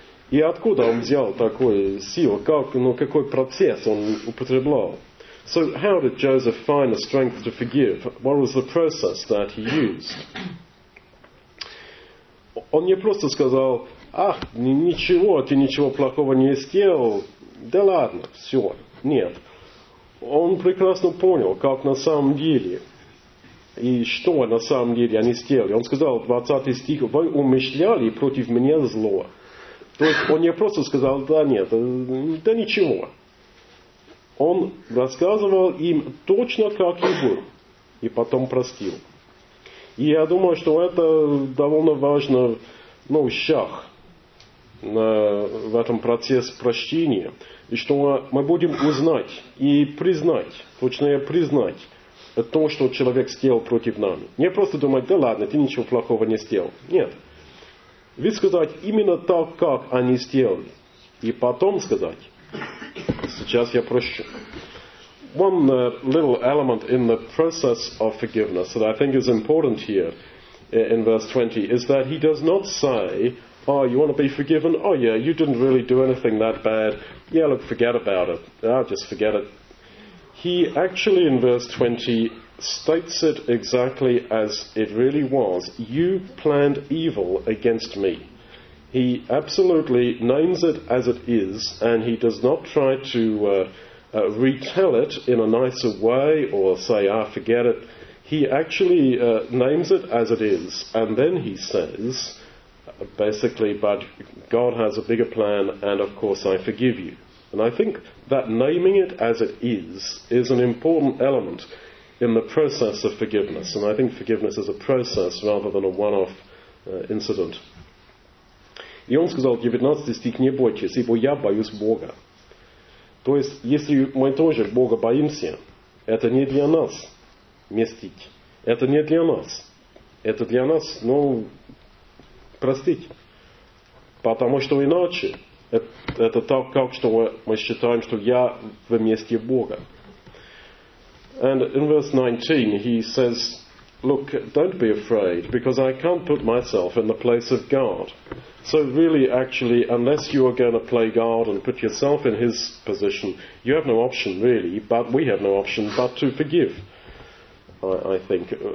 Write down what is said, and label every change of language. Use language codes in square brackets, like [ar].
[ru] И откуда он взял такую силу? Какой процесс он употреблял? [en] So how did Joseph find the strength to forgive? What was the process that he used? [ru] Он не просто сказал, ах, ничего, ты ничего плохого не сделал. Да ладно, все. Нет. Он прекрасно понял, как на самом деле, и что на самом деле они сделали. Он сказал, 20 стих, вы умышляли против меня зло. То есть он не просто сказал, да нет, да ничего. Он рассказывал им точно, как и был, и потом простил. И я думаю, что это довольно важно, ну, шаг в этом процессе прощения, и что мы будем узнать и признать, точнее признать то, что человек сделал против нами. Не просто думать, да ладно, ты ничего плохого не сделал. Нет. Ведь сказать именно так, как они сделали, и потом сказать, сейчас я прощу. [en] One little element in the process of forgiveness that I think is important here in verse 20 is that he does not say, oh, you want to be forgiven? Oh, yeah, you didn't really do anything that bad. Yeah, look, forget about it. I'll just forget it. He actually, in verse 20, states it exactly as it really was. You planned evil against me. He absolutely names it as it is, and he does not try to retell it in a nicer way or say, ah, forget it. He actually names it as it is, and then he says, basically, but God has a bigger plan, and of course I forgive you. And I think that naming it as it is an important element in the process of forgiveness. And I think forgiveness is a process rather than a one-off incident. [ru] И он сказал, 19 стих, не бойтесь, ибо я боюсь Бога. То есть, если мы тоже Бога боимся, это не для нас мстить. Это не для нас. Это для нас, ну, простить. Потому что иначе это так, как что мы считаем, что я в месте Бога. [en] And in verse 19 he says, look, don't be afraid, because I can't put myself in the place of God. So really, actually, unless you are going to play God and put yourself in his position, you have no option really, but we have no option but to forgive, I think.